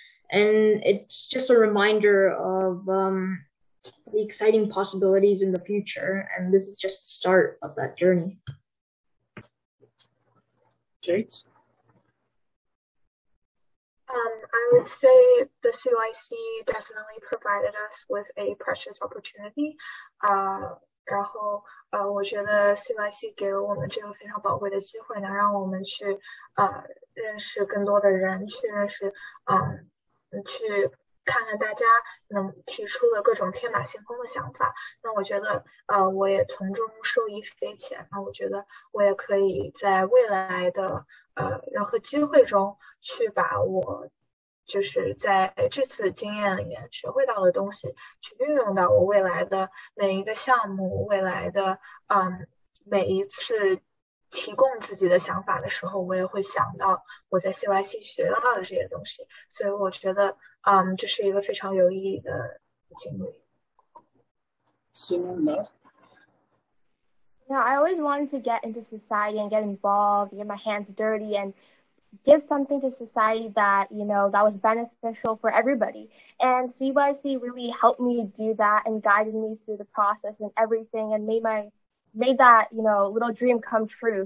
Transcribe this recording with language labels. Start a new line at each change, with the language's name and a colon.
English: And it's just a reminder of the exciting possibilities in the future. And this is just the start of that journey. Great. I would say the CYC definitely provided us with a precious opportunity.
Chinese: 然后我觉得 CYC 给了我们这个非常宝贵的机会，能让我们去认识更多的人，去认识去看看大家能提出了各种天马行空的想法。那我觉得我也从中受益匪浅。那我觉得我也可以在未来的任何机会中去把我就是在这次经验里面学会到的东西去运用到我未来的每一个项目，未来的每一次提供自己的想法的时候，我也会想到我在 CYC 学到的这些东西。所以我觉得这是一个非常有意义的经历。
English: Now, I always wanted to get into society and get involved, get my hands dirty and give something to society that, you know, that was beneficial for everybody. And CYC really helped me do that and guided me through the process and everything and made that, you know, little dream come true.